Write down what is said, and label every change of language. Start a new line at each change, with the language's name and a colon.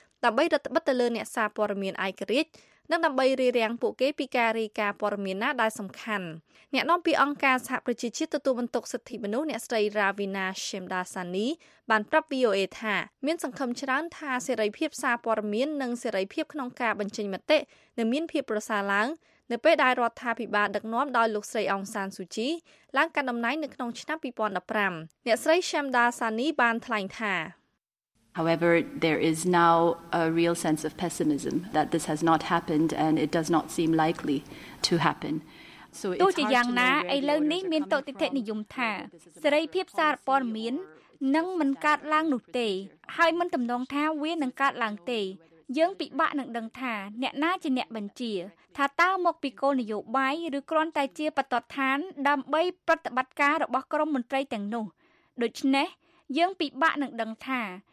Khmer: ដើម្បីរឹតបន្តឹងលើអ្នកសារព័ត៌មានឯករាជ្យនិងដើម្បីរារាំងពួកគេពីការរាយការណ៍ព័ត៌មានណាដែលសំខាន់អ្នកនាំពាក្យអង្គការសហប្រជាជាតិទទួលបន្ទុកសិទ្ធិមនុស្សអ្នកស្រី Ravina Shemdasani បានប្រាប់ VOA ថាមានសង្ឃឹមច្រើនថាសេរីភាពសារព័ត៌មាននិងសេរីភាពក្នុងការបញ្ចេញមតិនឹងមានភាពប្រសើរឡើងនៅពេលដែលរដ្ឋាភិបាលដឹកនាំដោយលោកស្រីអង្សានស៊ូជីឡើងកាន់តំណែងនៅក្នុងឆ្នាំ2015អ្នកស្រីឈឹមដាសានីបានថ្លែងថា
English: However there is now a real sense of pessimism that this has not happened and it does not seem likely to happen So it's hard to know
Khmer: ឥឡូវនេះមានតតិធិនិយមថាសេរីភាពសារព័ត៌មាននឹងមិនកើតឡើងនោះទេហើយមិនទំនងថាវានឹងកើតឡើងទេយើងពិបាកនឹងដឹងថាអ្នកណាជាអ្នកបញ្ជាថាតើមកពីគោលនយោបាយឬគ្រាន់តែជាបទដ្ឋានដើម្បីប្រតិបត្តិការរបស់ក្រុមមន្ត្រីទាំងនោះដូច្នេះយើងពិបាកនឹងដឹងថា